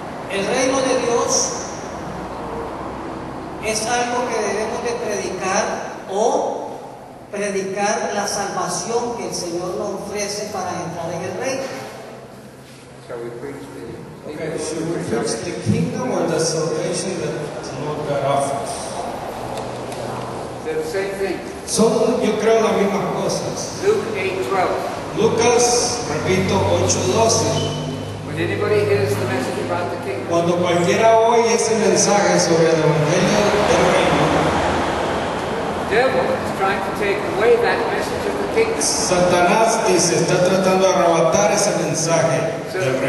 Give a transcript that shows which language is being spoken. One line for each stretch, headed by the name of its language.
Spanish: El reino de Dios es algo que debemos de predicar o predicar la salvación que el Señor nos ofrece para entrar en el reino.
English: Shall we preach the okay, should we preach the kingdom or the salvation that the Lord God offers? The same thing.
Spanish: Son, yo creo las mismas cosas.
English: Luke 8:12.
Spanish: Lucas, repito, 8:12.
English: When anybody hears the message about the kingdom.
Spanish: Cuando cualquiera oye ese mensaje sobre el evangelio del reino.
English: Devil is trying to take away that message of the kingdom.
Spanish: Satanás dice, está tratando de arrebatar ese mensaje del reino.